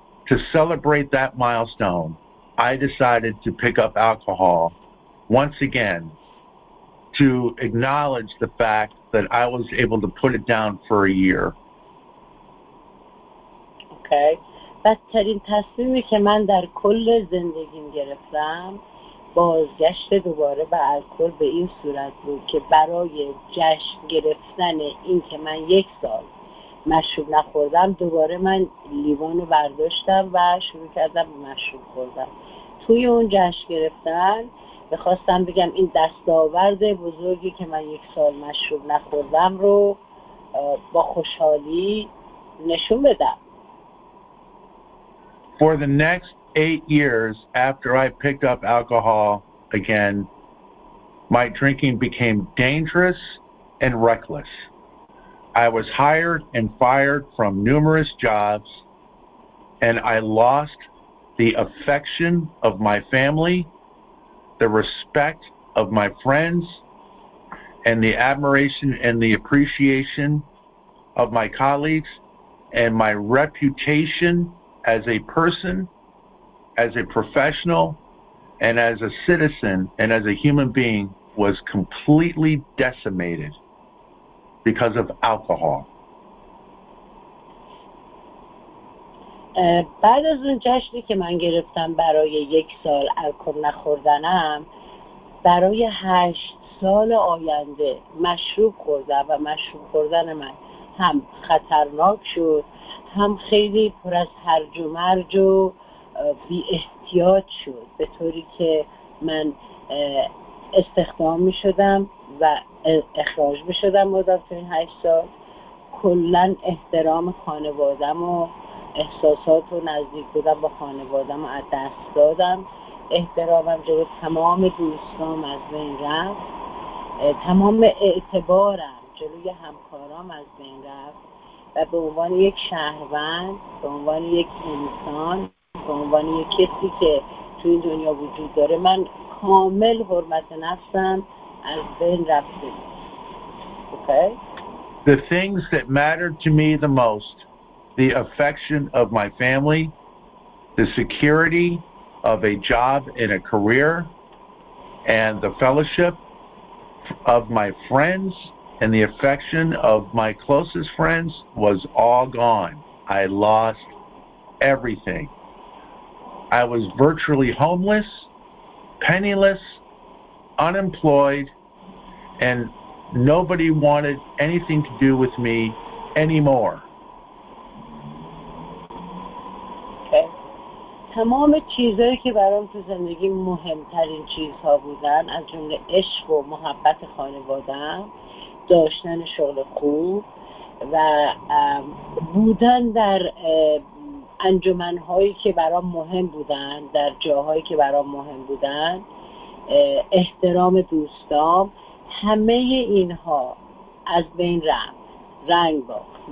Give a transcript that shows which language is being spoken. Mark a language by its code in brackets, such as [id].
[en] To celebrate that milestone, I decided to pick up alcohol once again to acknowledge the fact that I was able to put it down for a year. Okay. [fa] بدترین تصمیمی که من در کل زندگیم گرفتم بازگشت دوباره به الکل به این صورت بود که برای جشن گرفتن این که من یک سال مشروب نخوردم، دوباره من لیوانو برداشتم و شروع کردم به مشروب خوردم. توی اون جشن گرفتن بخواستم بگم این دستاورد بزرگی که من یک سال مشروب نخوردم رو با خوشحالی نشون بدم. [en] For the next 8 years after I picked up alcohol again, my drinking became dangerous and reckless. I was hired and fired from numerous jobs, and I lost the affection of my family, the respect of my friends, and the admiration and the appreciation of my colleagues, and my reputation as a person, as a professional, and as a citizen, and as a human being was completely decimated because of alcohol. [fa] بعد از اون جشنی که من گرفتم برای یک سال الکل نخوردنم، برای 8 سال آینده مشروب خوردم و مشروب خوردن من هم خطرناک شد، هم خیلی پر از هرج و مرج و بی احتیاط شد، به طوری که من استخدام می شدم و اخراج می شدم مدت این 8 سال. کلن احترام خانوادم و احساسات و نزدیک بودم با خانوادم رو از دست دادم، احترامم جلو تمام دوستام از بین رفت، تمام اعتبارم جلوی همکارام از بین رفت، و به عنوان یک شهروند، به عنوان یک انسان، به عنوان یک کسی که تو این دنیا وجود داره، من کامل حرمت نفسم از بین رفته. اوکی. [en] The things that mattered to me the most, the affection of my family, the security of a job and a career, and the fellowship of my friends and the affection of my closest friends was all gone. I lost everything. I was virtually homeless, penniless, unemployed, and nobody wanted anything to do with me anymore. [fa] تمام چیزهایی که برام تو زندگی مهمترین چیزها بودن از جمله عشق و محبت خانواده‌ام، داشتن شغل خوب و بودن در انجمنهایی که برام مهم بودن، در جاهایی که برام مهم بودن، احترام دوستام، همه اینها از بین رفت، رنگ باخت.